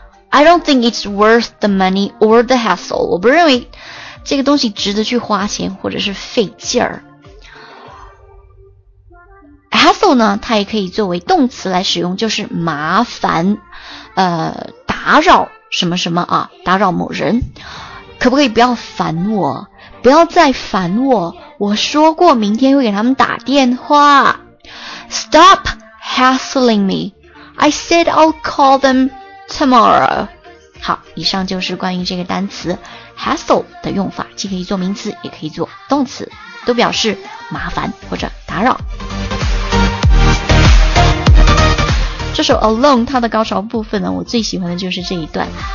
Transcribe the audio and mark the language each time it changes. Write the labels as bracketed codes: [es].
[en] I don't think it's worth the money or the hassle. [zh] 我不认为这个东西值得去花钱或者是费劲儿。 Hassle 呢，它也可以作为动词来使用，就是麻烦，打扰什么什么啊，打扰某人。可不可以不要烦我？不要再烦我！我说过明天会给他们打电话。 [en] Stop hassling me. I said I'll call them tomorrow. [zh] 好，以上就是关于这个单词。hassle 的用法，既可以做名词也可以做动词，都表示麻烦或者打扰。这首 Alone 它的高潮部分呢，我最喜欢的就是这一段。